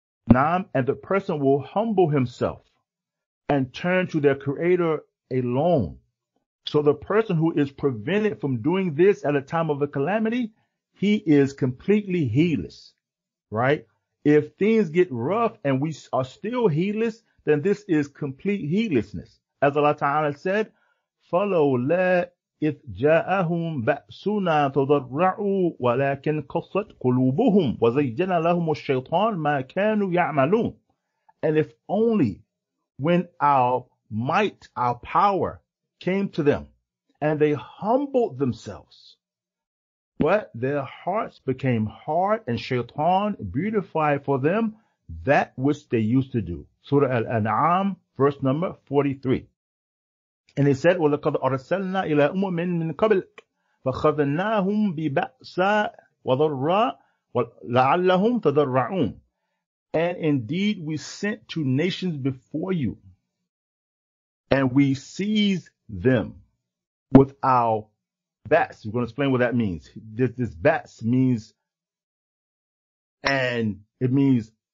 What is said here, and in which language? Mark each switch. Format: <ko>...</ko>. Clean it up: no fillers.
<en>Naam, and the person will humble himself and turn to their creator alone. So the person who is prevented from doing this at a time of a calamity, he is completely heedless, right? If things get rough and we are still heedless, then this is complete heedlessness.</en> <ar>As Allah Ta'ala said, فَلَوْ لَا إِذْ جَاءَهُمْ بَأْسُنَا تَضَرَّعُوا وَلَكِنْ قَصَّتْ قُلُوبُهُمْ وَزَيَّنَ لَهُمُ الشَّيْطَانُ مَا كَانُوا يَعْمَلُونَ.</ar> <en>And if only when our might, our power came to them and they humbled themselves, but their hearts became hard and shaitan beautified for them that which they used to do. Surah Al-An'am, verse number 43.</en> <ar>And he said, وَلَقَدْ أَرْسَلْنَا إِلَىٰ أُمَمٍ مِّن قَبْلِكَ فَخَذَنَّاهُمْ بِبَأْسَاءٍ وَضَرَّاءٍ لَعَلَّهُمْ تَضَرَّعُونَ.</ar> <en>And indeed, we sent to nations before you, and we seized them with our bats. We're going to explain what that means. This bats means, and it means</en>